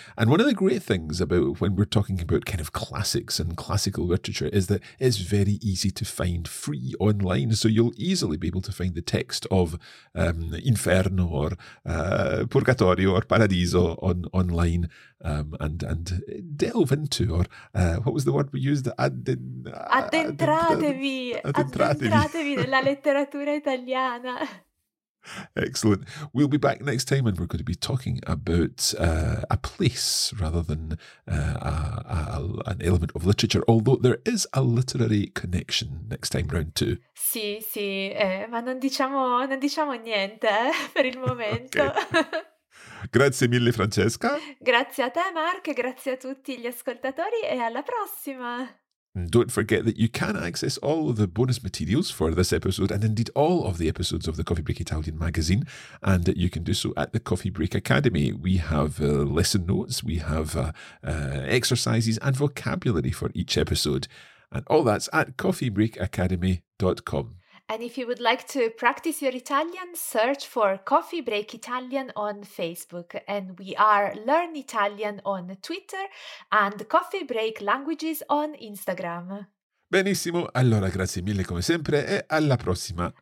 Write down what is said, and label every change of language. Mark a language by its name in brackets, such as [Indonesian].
[English] And one of the great things about when we're talking about kind of classics and classical literature is that it's very easy to find free online. So you'll easily be able to find the text of Inferno or Purgatorio or Paradiso online. And delve into, or what was the word we used? [Italian] Addentratevi nella letteratura italiana. [English] Excellent. We'll be back next time, and we're going to be talking about a place rather than an element of literature, although there is a literary connection next time round too. [Italian] Sì, sì, ma non diciamo niente per il momento. [English] Okay. [Italian] Grazie mille Francesca. Grazie a te Mark, grazie a tutti gli ascoltatori e alla prossima. [English] Don't forget that you can access all of the bonus materials for this episode and indeed all of the episodes of the Coffee Break Italian magazine, and you can do so at the Coffee Break Academy. We have lesson notes, we have exercises and vocabulary for each episode, and all that's at coffeebreakacademy.com. And if you would like to practice your Italian, search for Coffee Break Italian on Facebook. And we are Learn Italian on Twitter and Coffee Break Languages on Instagram. [Italian] Benissimo. Allora, grazie mille come sempre e alla prossima.